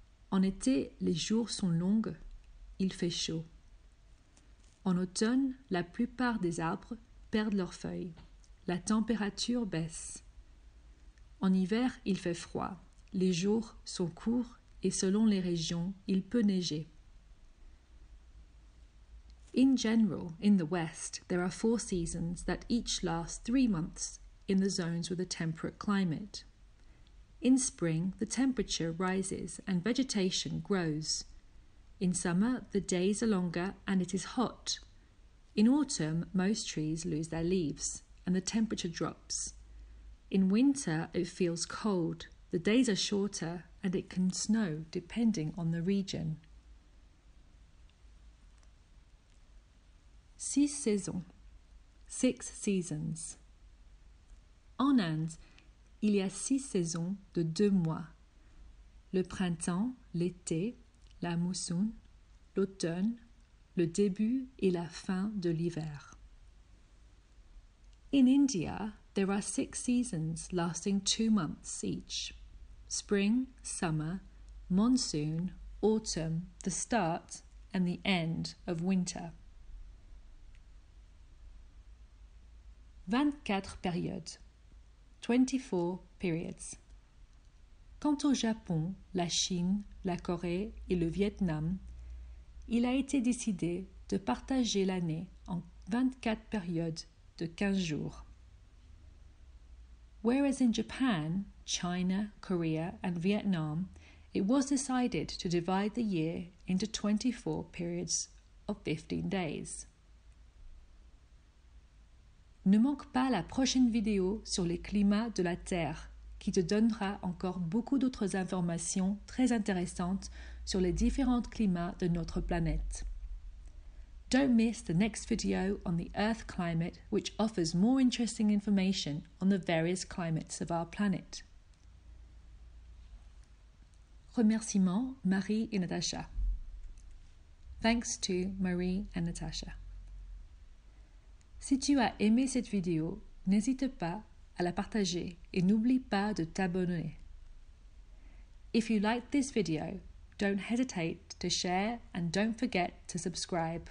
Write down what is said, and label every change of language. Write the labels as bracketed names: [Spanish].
[French] En été, les jours sont longs, il fait chaud. En automne, la plupart des arbres perdent leurs feuilles, la température baisse. En hiver, il fait froid, les jours sont courts et selon les régions, il peut neiger. [English] In general, in the West, there are four seasons that each last 3 months. In the zones with a temperate climate. In spring, the temperature rises and vegetation grows. In summer, the days are longer and it is hot. In autumn, most trees lose their leaves and the temperature drops. In winter, it feels cold, the days are shorter and it can snow depending on the region. [French] Six saisons, [English] six seasons. [French] En Inde, il y a 6 saisons de 2 mois. Le printemps, l'été, la mousson, l'automne, le début et la fin de l'hiver. [English] In India, there are 6 seasons lasting 2 months each. Spring, summer, monsoon, autumn, the start and the end of winter. [French] 24 périodes. [English] 24 periods. [French] Quant au Japon, la Chine, la Corée et le Vietnam, il a été décidé de partager l'année en 24 périodes de 15 jours. [English] Whereas in Japan, China, Korea and Vietnam, it was decided to divide the year into 24 periods of 15 days. [French] Ne manque pas la prochaine vidéo sur les climats de la Terre qui te donnera encore beaucoup d'autres informations très intéressantes sur les différents climats de notre planète. [English] Don't miss the next video on the Earth climate which offers more interesting information on the various climates of our planet. [French] Remerciements Marie et Natasha. [English] Thanks to Marie and Natasha. [French] Si tu as aimé cette vidéo, n'hésite pas à la partager et n'oublie pas de t'abonner. [English] If you liked this video, don't hesitate to share and don't forget to subscribe.